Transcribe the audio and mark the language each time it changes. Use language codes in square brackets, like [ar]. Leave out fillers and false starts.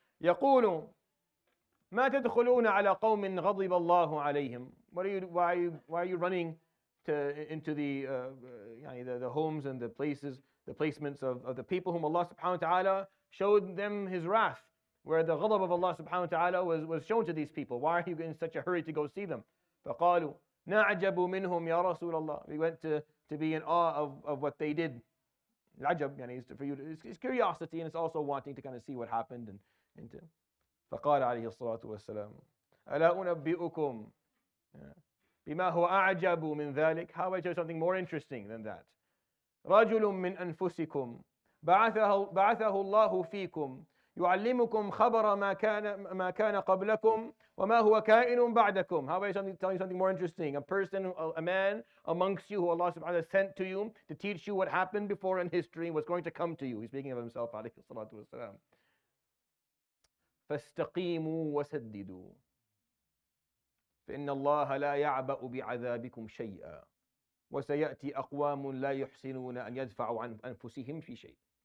[ar] يقول ما تدخلون على قوم غضب الله عليهم. [en] Why are you running into the homes and the places, the placements of the people whom Allah subhanahu wa ta'ala showed them his wrath, where the ghadab of Allah subhanahu wa ta'ala was shown to these people? Why are you in such a hurry to go see them? [ar] فقالوا نعجب منهم يا رسول الله. [en] We went to be in awe of what they did. [ar] العجب, يعني, [en] is for you to, it's curiosity, and it's also wanting to kind of see what happened. And [ar] فقال عليه الصلاة والسلام ألا أنبئكم بما هو أعجب من ذلك. [en] How about something more interesting than that? [ar] رجل من أنفسكم بعثه الله فيكم يعلمكم خبر ما كان قبلكم وما هو كائن بعدكم. [en] How about something, telling you something more interesting? A person, a man amongst you who Allah subhanahu wa ta'ala sent to you to teach you what happened before in history was going to come to you. He's speaking of himself [ar] عليه الصلاة والسلام. فاستقيموا وسددوا فإن الله لا يعبأ بعذابكم شيئا وسيأتي أقوام لا يحسنون أن يدفعوا عن أنفسهم في شيء.